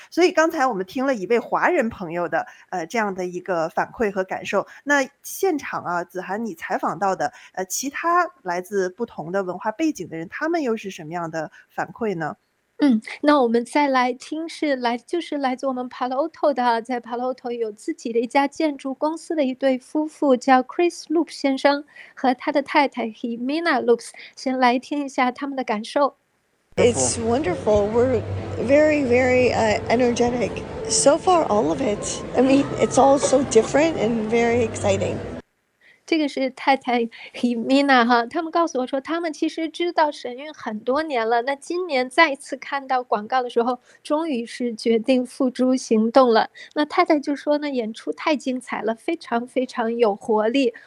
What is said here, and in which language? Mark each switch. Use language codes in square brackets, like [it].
[zh] 所以刚才我们听了一位华人朋友的这样的一个反馈和感受，那现场啊子涵你采访到的其他来自不同的文化背景的人，他们又是什么样的反馈呢？那我们再来听，是来自我们 Palo Alto 的，在 Palo Alto 有自己的一家建筑公司的一对夫妇，叫 Chris Loop 先生和他的太太 Ximena Loops， 先来听一下他们的感受。 [en] It's wonderful. We're very, very energetic. So far, all of it. I mean, it's all so different and very exciting. [zh] 这个是太太 Himina 哈，他们告诉我说，他们其实知道神韵很多年了。那今年再次看到广告的时候，终于是决定付诸行动了。那太太就说呢，演出太精彩了，非常非常有活力。